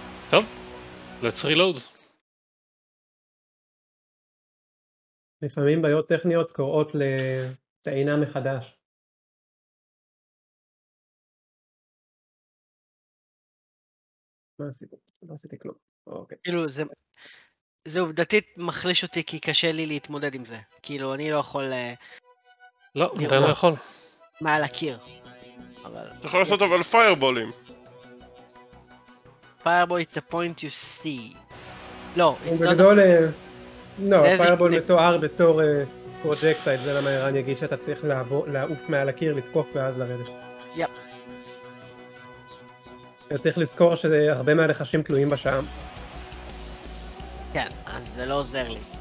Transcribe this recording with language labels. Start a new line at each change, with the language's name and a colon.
Hebrew: טוב,
English: let's reload.
Hebrew: לפעמים בעיות טכניות קוראות לטעינה מחדש. מה עשיתי? לא עשיתי כלום. אוקיי. כאילו זה עובדתית מחליש אותי כי קשה לי להתמודד עם זה. כאילו אני לא יכול... לא, אתה לא יכול. מעל הקיר. אבל... אתה יכול לעשות אבל פיירבולים. פיירבול,
English: it's a point you see.
Hebrew: לא,
English: it's not...
Hebrew: בגדול... לא, פיירבול מתואר בתור פרוג'קטייל, זה למה ערן יגיד שאתה צריך לעוף מעל הקיר, לתקוף ואז לרדת. יפ. אני צריך לזכור שהרבה מהלחשים תלויים בשעה. כן, אז זה לא עוזר לי.